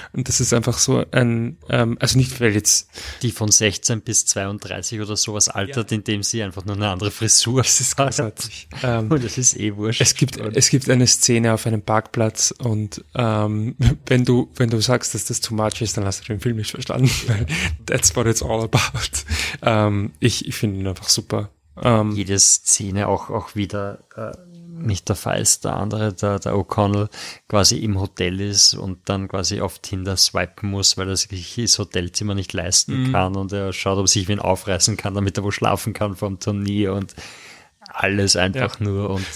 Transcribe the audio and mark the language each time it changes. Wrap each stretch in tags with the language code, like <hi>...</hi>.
<de>Und das ist einfach so ein, also nicht, weil jetzt... Die von 16 bis 32 oder sowas altert, ja. Indem sie einfach nur eine andere Frisur hat. Das ist großartig. Und das ist eh wurscht. Es gibt eine Szene auf einem Parkplatz und wenn du sagst, dass das</de> <en>too much</en> <de>ist, dann hast du den Film nicht verstanden.</de> <en>That's what it's all about.</en> <de>Ich finde ihn einfach super. Jede Szene auch wieder nicht der Fall ist, der andere, der O'Connell quasi im Hotel ist und dann quasi auf Tinder swipen muss, weil er sich das Hotelzimmer nicht leisten kann und er schaut, ob sich wen aufreißen kann, damit er wo schlafen kann vor dem Turnier und alles einfach nur.</de>